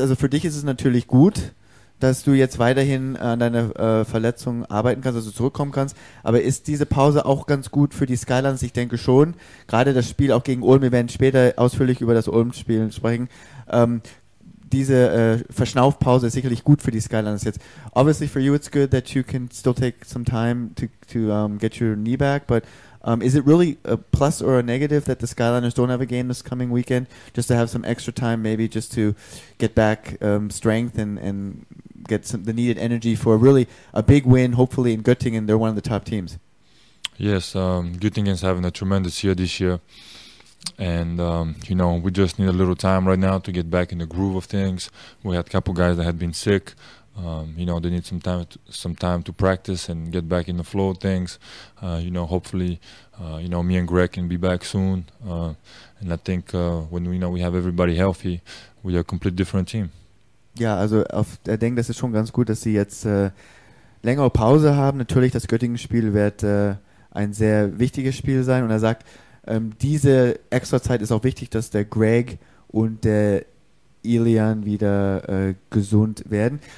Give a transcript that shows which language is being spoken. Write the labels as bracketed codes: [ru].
[de] Also für dich ist es natürlich gut, dass du jetzt weiterhin an deiner Verletzung arbeiten kannst, also zurückkommen kannst. Aber ist diese Pause auch ganz gut für die Skylines? Ich denke schon. Gerade das Spiel auch gegen Ulm, wir werden später ausführlich über das Ulm-Spiel sprechen. Diese Verschnaufpause ist sicherlich gut für die Skylines jetzt. [en] Obviously for you it's good that you can still take some time to get your knee back, but is it really a plus or a negative that the Skyliners don't have a game this coming weekend, just to have some extra time, maybe just to get back strength and get the needed energy for really a big win, hopefully in Göttingen? They're one of the top teams. Yes, Göttingen's having a tremendous year this year. And, you know, we just need a little time right now to get back in the groove of things. We had a couple guys that had been sick. You know, they need some time to practice and get back in the flow of things. You know, hopefully, you know, me and Greg can be back soon. And I think when we, you know, we have everybody healthy, we are a complete different team. [de] Ja, also ich denke, das ist schon ganz gut, dass sie jetzt längere Pause haben. Natürlich, das Göttingen-Spiel wird ein sehr wichtiges Spiel sein. Und er sagt, diese extra Zeit ist auch wichtig, dass der Greg und der Ilian wieder gesund werden.